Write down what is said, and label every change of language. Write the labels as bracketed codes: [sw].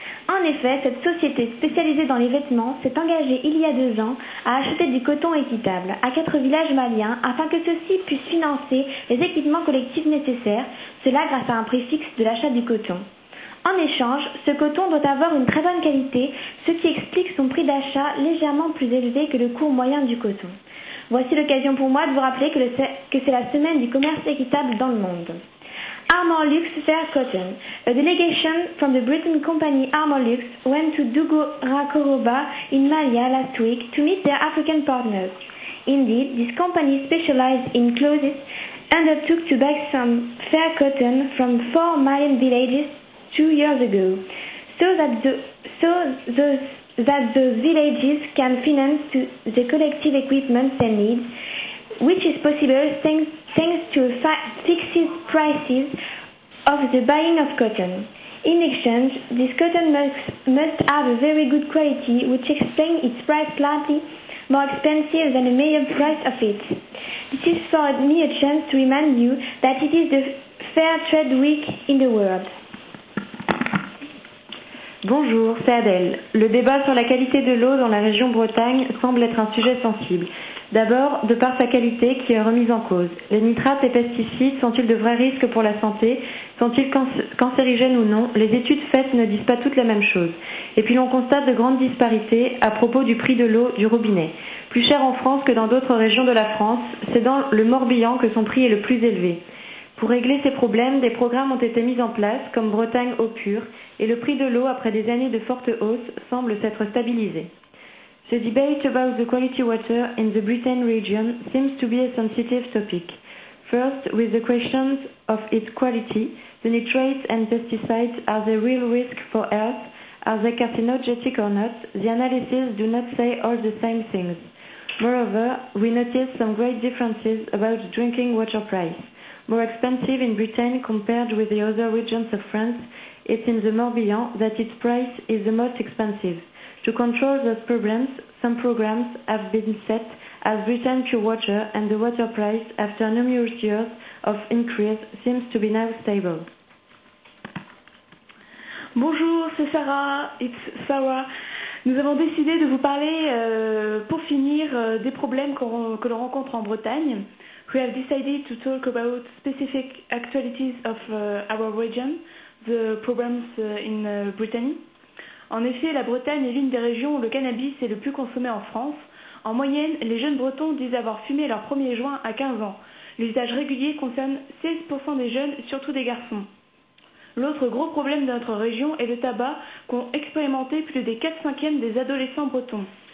[fr] En effet, cette société spécialisée dans les vêtements s'est engagée il y a 2 ans à acheter du coton équitable à 4 villages maliens afin que ceux-ci puissent financer les équipements collectifs nécessaires, cela grâce à un prix fixe de l'achat du coton. En échange, ce coton doit avoir une très bonne qualité, ce qui explique son prix d'achat légèrement plus élevé que le coût moyen du coton. Voici l'occasion pour moi de vous rappeler que c'est la semaine du commerce équitable dans le monde. [en] Armorlux Fair Cotton. A delegation from the Britain company Armorlux went to Dougoura-Korova in Mali last week to meet their African partners. Indeed, this company specialized in clothes undertook to bag some fair cotton from 4 Malian villages 2 years ago, so that those villages can finance the collective equipment they need, which is possible thanks to fixed prices of the buying of cotton. In exchange, this cotton must have a very good quality, which explains its price slightly more expensive than the medium price of it. This is for me a chance to remind you that it is the fair trade week in the world. [fr] Bonjour, c'est Adèle. Le débat sur la qualité de l'eau dans la région Bretagne semble être un sujet sensible. D'abord, de par sa qualité qui est remise en cause. Les nitrates et pesticides sont-ils de vrais risques pour la santé? Sont-ils cancérigènes ou non? Les études faites ne disent pas toutes la même chose. Et puis l'on constate de grandes disparités à propos du prix de l'eau du robinet. Plus cher en France que dans d'autres régions de la France, c'est dans le Morbihan que son prix est le plus élevé. Pour régler ces problèmes, des programmes ont été mis en place, comme Bretagne Eau Pure, et le prix de l'eau, après des années de forte hausse, semble s'être stabilisé. [en] The debate about the quality water in the Britain region seems to be a sensitive topic. First, with the questions of its quality, the nitrates and pesticides, are they real risk for health? Are they carcinogenic or not? The analysis do not say all the same things. Moreover, we notice some great differences about drinking water price. More expensive in Britain compared with the other regions of France, it's in the Morbihan that its price is the most expensive. To control those problems, some programs have been set as Britain Pure Water, and the water price, after numerous years of increase, seems to be now stable. [fr] Bonjour, c'est Sarah. [en] It's Sarah. [fr] Nous avons décidé de vous parler, pour finir, des problèmes que l'on rencontre en Bretagne. [en] We have decided to talk about specific actualities of our region, the problems in Brittany. [fr] En effet, la Bretagne est l'une des régions où le cannabis est le plus consommé en France. En moyenne, les jeunes bretons disent avoir fumé leur premier joint à 15 ans. L'usage régulier concerne 16% des jeunes, surtout des garçons. L'autre gros problème de notre région est le tabac, qu'ont expérimenté plus des 4/5 des adolescents bretons.